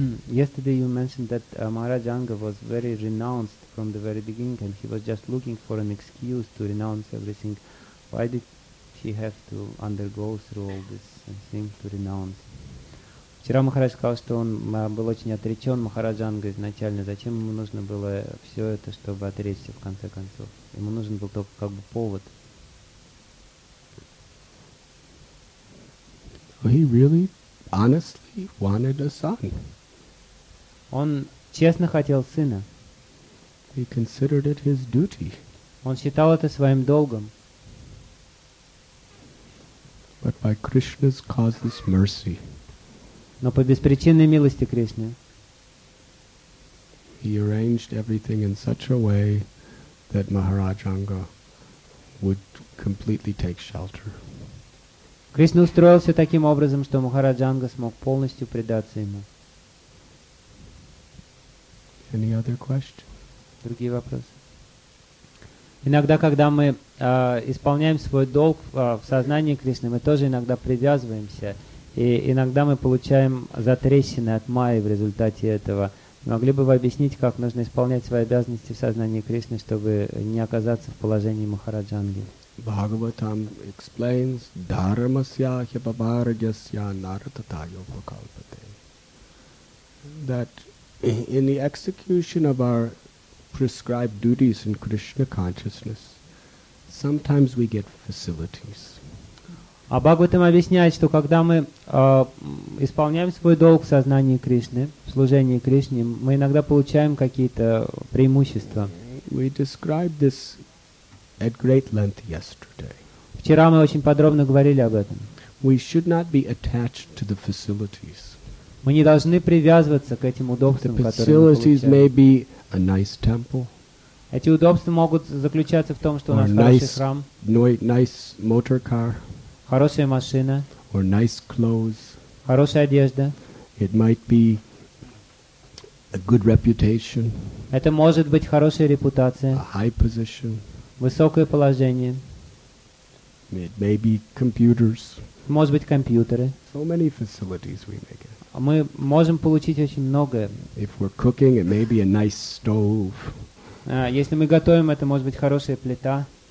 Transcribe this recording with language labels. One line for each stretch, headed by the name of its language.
English: Yesterday you mentioned that Maharaj Anga was very renounced from the very beginning, and he was just looking for an excuse to renounce everything. Why did he have to undergo through all this and think to renounce?
Russian: Вчера Махарадж сказал, что он был очень отречен Махарадж Анга изначально. Зачем ему нужно было все это, чтобы отречься в конце концов? Ему нужен был только как бы повод.
English: He really, honestly wanted a son.
Russian: Он честно хотел сына.
English: He considered it his duty.
Russian: Он считал это своим долгом.
English: But by Krishna's causeless mercy.
Russian: Но по беспричинной милости Кришны.
English: He arranged everything in such a way that Maharaj Anga would completely take shelter.
Russian: Кришна устроил все таким образом, что Махарадж Анга смог полностью предаться ему.
English: Any other questions?
Russian: Другие вопросы. Иногда, когда мы исполняем свой долг в сознании Кришны, мы тоже иногда привязываемся. И иногда мы получаем затрещины от Майи в результате этого. Могли бы вы объяснить, как нужно исполнять свои обязанности в сознании Кришны, чтобы не оказаться в положении Махараджанги?
Sanskrit: Бхагаватам
English: explains,
Sanskrit: дхармасья хипабаргасья нарататайо вакалпате.
English: That in the execution of our prescribed duties in Krishna consciousness, sometimes we get facilities.
Russian: А Бхагаватам объясняет, что когда мы исполняем свой долг в сознании Кришны, в служении Кришне, мы иногда получаем какие-то преимущества.
English: We described this at great length yesterday.
Russian: Вчера мы очень подробно говорили об этом.
English: We should not be attached to the facilities.
Russian: Мы не должны привязываться к этим удобствам, которые мы получаем.
English: The facilities may be a nice temple.
Russian: Эти удобства могут заключаться в том, что у нас хороший храм.
English: Nice motor car.
Russian: Хорошая машина.
English: Or nice clothes.
Russian: Хорошая одежда.
English: It might be a good reputation.
Russian: Это может быть хорошая репутация.
English: A high position.
Russian: Высокое положение.
English: It may be computers.
Russian: Может быть компьютеры.
English: So many facilities we make it.
Russian: Мы можем получить очень многое.
English: If we're cooking, it may be a nice stove.
Russian: Если мы готовим, это может быть хорошая плита.